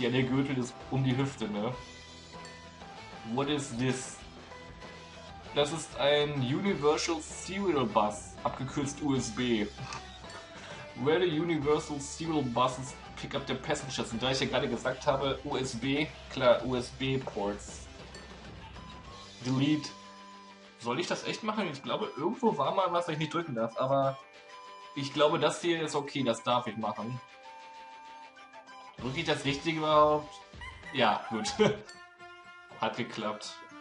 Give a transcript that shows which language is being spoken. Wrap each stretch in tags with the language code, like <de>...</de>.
<de>Ja, der Gürtel ist um die Hüfte, ne?</de> <en>What is this?</en> <de>Das ist ein Universal Serial Bus, abgekürzt USB.</de> <en>Where the Universal Serial Buses pick up their passengers.</en> <de>Und da ich ja gerade gesagt habe, USB, klar, USB-Ports. Delete. Soll ich das echt machen? Ich glaube, irgendwo war mal was, was ich nicht drücken darf, aber ich glaube, das hier ist okay, das darf ich machen. Drücke ich das Richtige überhaupt? Ja, gut. Hat geklappt.</de>